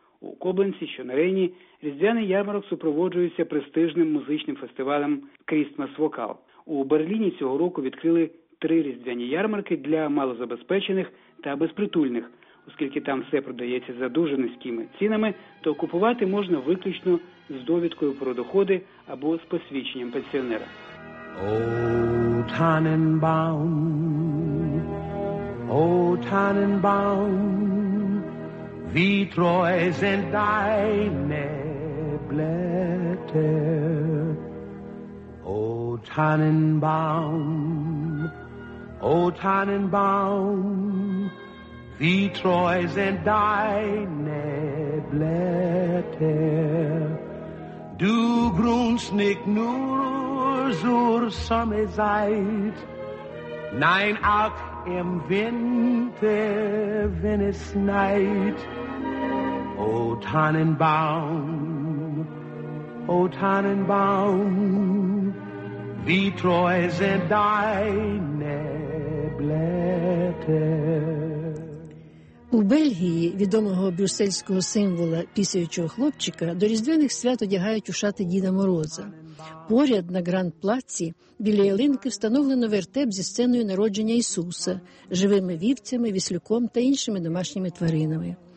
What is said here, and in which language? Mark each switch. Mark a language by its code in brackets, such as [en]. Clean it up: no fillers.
[uk] У Кобленці, що на Рейні, різдвяний ярмарок супроводжується престижним музичним фестивалем «Крістмас Вокал». У Берліні цього року відкрили 3 різдвяні ярмарки для малозабезпечених та безпритульних. оскільки там все продається за дуже низькими цінами, то купувати можна виключно з довідкою про доходи або з посвідченням пенсіонера. [de] Old Tannenbaum, Old Tannenbaum, wie treu sind deine Blätter. Old Tannenbaum, Old Tannenbaum, wie treu sind deine Blätter. Du grünst nicht nur zur Sommerzeit, nein, auch im Winter, wenn es schneit. O Tannenbaum, O Tannenbaum, wie treu sind deine Blätter. [uk] У Бельгії відомого брюссельського символа пісячого хлопчика до різдвяних свят одягають у шати Діда Мороза. Поряд на Гранд-Плаці біля ялинки встановлено вертеп зі сценою народження Ісуса, живими вівцями, віслюком та іншими домашніми тваринами.